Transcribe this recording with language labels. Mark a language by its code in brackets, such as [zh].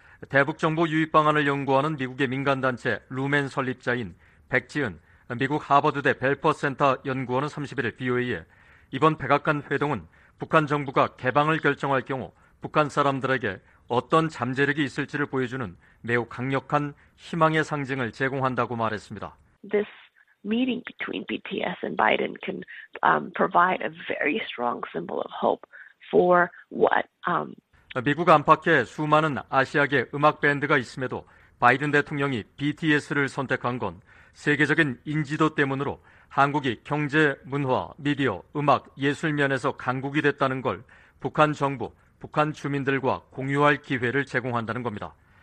[ko] 대북정보 유입 방안을 연구하는 미국의 민간단체 루멘 설립자인 백지은 미국 하버드대 벨퍼센터 연구원은 31일 BOA에 이번 백악관 회동은 북한 정부가 개방을 결정할 경우 북한 사람들에게 어떤 잠재력이 있을지를 보여주는 매우 강력한 희망의 상징을 제공한다고 말했습니다. [en] This meeting between BTS and Biden can provide a very strong symbol of hope for what [ko] 미국 안팎에 수많은 아시아계 음악 밴드가 있음에도 바이든 대통령이 BTS를 선택한 건 세계적인 인지도 때문으로 한국이 경제, 문화, 미디어, 음악, 예술 면에서 강국이 됐다는 걸 북한 정부, 북한 주민들과 공유할 기회를 제공한다는 겁니다.